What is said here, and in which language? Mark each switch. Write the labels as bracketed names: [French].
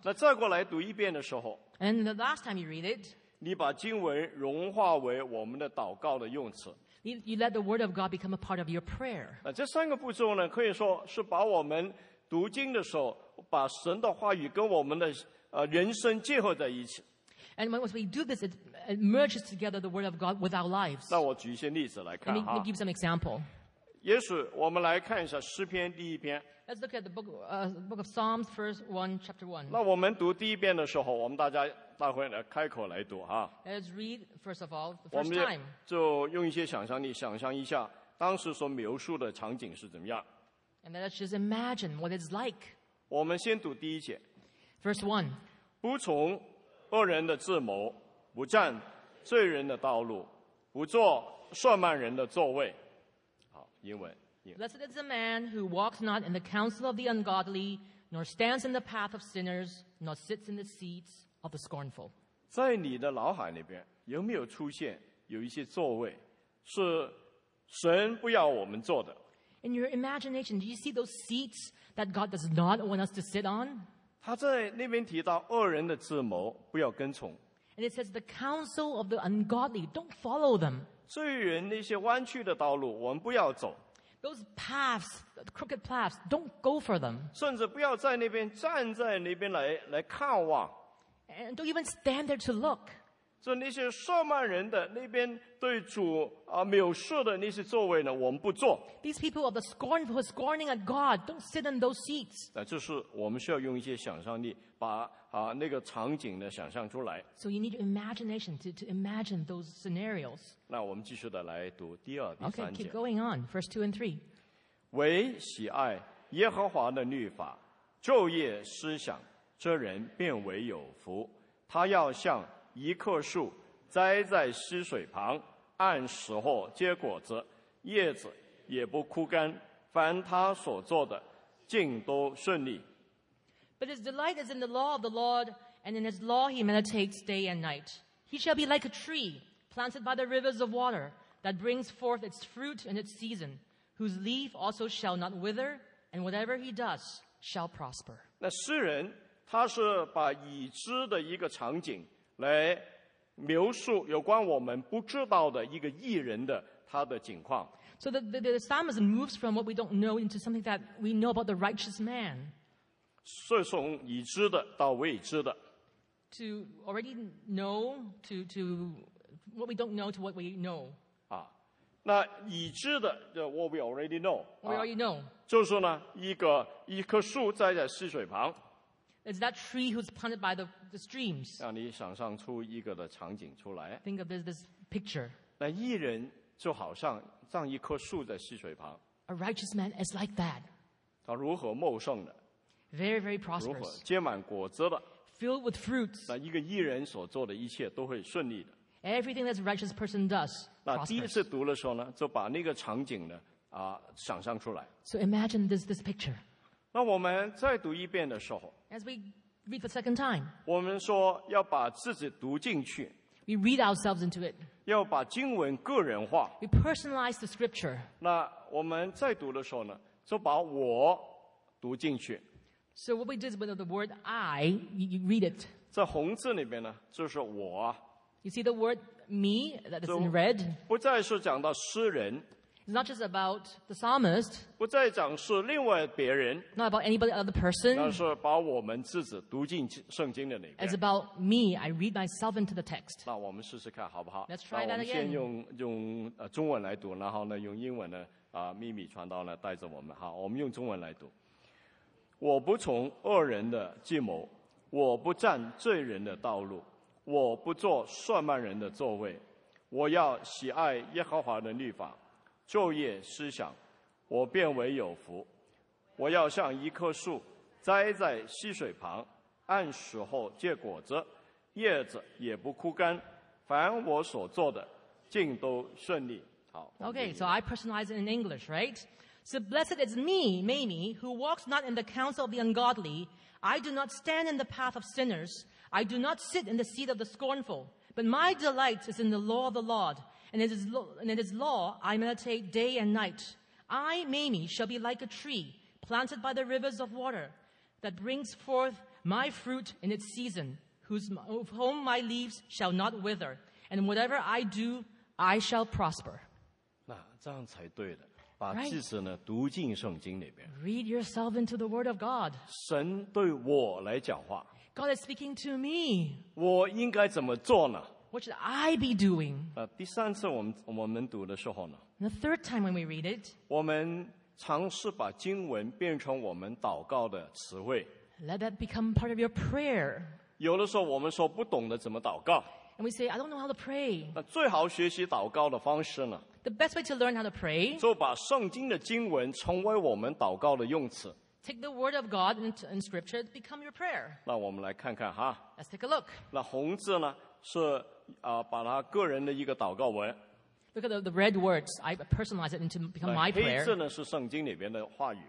[Chinese] 那再过来读一遍的时候。 [English] And the last time you read it. [Chinese] 你把经文融化为我们的祷告的用词。 [English] You let the Word of God become a part of your prayer. [Chinese] 那这三个步骤呢，可以说是把我们读经的时候，把神的话语跟我们的人生结合在一起。 [English] And when we do this, it merges together the Word of God with our lives. [Chinese] 那我举一些例子来看哈。 [English] Let me give some example. [Chinese] 也许我们来看一下诗篇第一篇。 [English] Let's look at the book of Psalms, first one, chapter one. [Chinese] 那我们读第一遍的时候，我们大家大会来开口来读哈。 [English] Let's read first of all the first time. [Chinese] 我们就用一些想象力想象一下当时所描述的场景是怎么样。 [English] And let's just imagine what it's like. [Chinese] 我们先读第一节。 [English] First one. [Chinese] 不从恶人的智谋，不占罪人的道路，不坐算慢人的座位。好，英文。 [English] Blessed is the man who walks not in the counsel of the ungodly, nor stands in the path of sinners, nor sits in the seats of the scornful. [Chinese] 在你的脑海里边，有没有出现有一些座位是神不要我们坐的 [English] ？In your imagination, do you see those seats that God does not want us to sit on? [Chinese] 他在那边提到恶人的智谋不要跟从。 [English] And it says the counsel of the ungodly, don't follow them. [Chinese] 罪人那些弯曲的道路我们不要走。 [English] Those paths, the crooked paths, don't go for them. [Chinese] 甚至不要在那边站在那边来看望。 [English] And don't even stand there to look. [Chinese] 就那些傲慢人的那边对主藐视的那些座位呢我们不坐。 [English] These people of the scornful scorning at God, don't sit in those seats. [Chinese] 那就是我们需要用一些想象力把那个场景呢想象出来。 [English] So you need imagination to imagine those scenarios. [Chinese] 那我们继续的来读第二、第三节。 [English] Okay, keep going on, verse 2 and 3. [Chinese] 唯喜爱耶和华的律法，昼夜思想，这人便为有福。他要像一棵树栽在溪水旁，按时候结果子，叶子也不枯干，凡他所做的尽都顺利。 [English] But his delight is in the law of the Lord, and in his law he meditates day and night. He shall be like a tree planted by the rivers of water, that brings forth its fruit in its season, whose leaf also shall not wither, and whatever he does shall prosper. [Chinese] 那诗人他是把已知的一个场景来描述有关我们不知道的一个义人的他的境况。 [English] So the psalmist moves from what we don't know into something that we know about the righteous man. [Chinese] 从已知的到未知的。 [English] To already know to what we don't know to what we know. [Chinese] 啊，那已知的 [English] what we already know. What we already know. [Chinese] 就是呢，一棵树栽在溪水旁。 [English] It's that tree who's planted by the streams. [Chinese] 让你想象出一个的场景出来。 [English] Think of this picture. [Chinese] 那义人就好像像一棵树在溪水旁。 [English] A righteous man is like that. [Chinese] 他如何茂盛的？ [English] Very, very prosperous. [Chinese] 如何结满果子的？ [English] Filled with fruits. [Chinese] 那一个义人所做的一切都会顺利的。 [English] Everything that a righteous person does. [Chinese] 那第一次读的时候呢，就把那个场景呢啊想象出来。 [English] So imagine this picture. [Chinese] 那我们再读一遍的时候。 [English] As we read the second time. [Chinese] 我们说要把自己读进去。 [English] We read ourselves into it. [Chinese] 要把经文个人化。 [English] We personalize the scripture. [Chinese] 那我们再读的时候呢，就把我读进去。 [English] So what we did with the word I, you read it. [Chinese] 在红字里面呢，就是我。 [English] You see the word me that is in red? [Chinese] 不再是讲到诗人。 [English] It's not just about the psalmist. [Chinese] 不再讲是另外别人。 [English] Not about anybody other person. [Chinese] 而是把我们自己读进圣经的里面。 [English] It's about me, I read myself into the text. [Chinese] 那我们试试看好不好？ [English] Let's try that again. [Chinese] 那我们先用中文来读，然后呢用英文呢秘密传道呢带着我们。好，我们用中文来读。我不从恶人的计谋，我不占罪人的道路，我不坐算慢人的座位，我要喜爱耶和华的律法，昼夜思想，我便为有福。我要像一棵树栽在溪水旁，按时候结果子，叶子也不枯干，凡我所做的尽都顺利。好， [English] Okay, so I personalize it in English, right? So blessed is me, Mamie, who walks not in the counsel of the ungodly. I do not stand in the path of sinners. I do not sit in the seat of the scornful. But my delight is in the law of the Lord. And in his law I meditate day and night. I, Mamie, shall be like a tree planted by the rivers of water that brings forth my fruit in its season, of whom my leaves shall not wither. And whatever I do, I shall prosper. [Chinese] 那这样才对的。把自己呢读进圣经里边。 [English] Read yourself into the Word of God. [Chinese] 神对我来讲话。 [English] God is speaking to me. [Chinese] 我应该怎么做呢 [English] ？What should I be doing？ [Chinese] 第三次我们读的时候呢 [English] ？The third time when we read it， [Chinese] 我们尝试把经文变成我们祷告的词汇。 [English] Let that become part of your prayer。 [Chinese] 有的时候我们说不懂得怎么祷告。 [English] And we say I don't know how to pray。 [Chinese] 最好学习祷告的方式呢？ [English] The best way to learn how to pray. [Chinese] 就把圣经的经文成为我们祷告的用词。 [English] Take the word of God in scripture to become your prayer. [Chinese] 那我们来看看哈。 [English] Let's take a look. [Chinese] 那红字呢是把它个人的一个祷告文。 [English] Look at the red words. I personalize it into become my prayer. [Chinese] 黑字呢是圣经里边的话语。